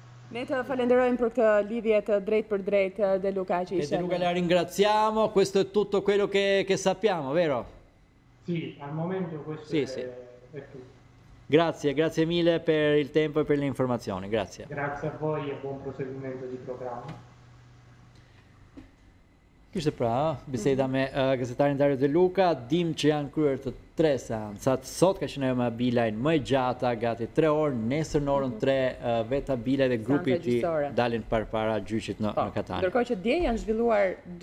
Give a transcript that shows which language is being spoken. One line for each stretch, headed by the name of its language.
Albanian: Ne të falenderojmë për këtë lidhje të drejtë për drejtë De Luca që ishte.
Italian: De Luca, la ringraziamo, questo è tutto quello che sappiamo, vero? Sì, al momento questo sì, è, sì. È tutto. Grazie, grazie mille per il tempo e per le informazioni, grazie. Grazie a voi e buon proseguimento di programma.
Albanian: Kishte pra, biseda me gazetarin Dario De Luca, dim që janë kryer të tre seancat, sot ka qenë me Bilajn më e gjata, gati 3 orë, nesër në orën 3, veta Bilaj dhe grupi i tij dalin parpara gjyqit në Katanë. Ndërkohë që dje janë zhvilluar 2...